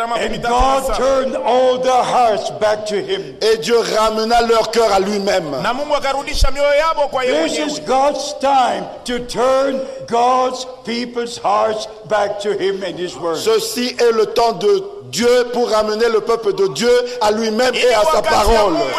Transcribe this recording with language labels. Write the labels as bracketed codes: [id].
[en] And God turned all their hearts back to him. [fr] Et Dieu ramena leur cœur à lui-même. [en] This is God's time to turn God's people's hearts back to him and his word. [fr] Ceci est le temps de Dieu pour ramener le peuple de Dieu à lui-même et à sa parole.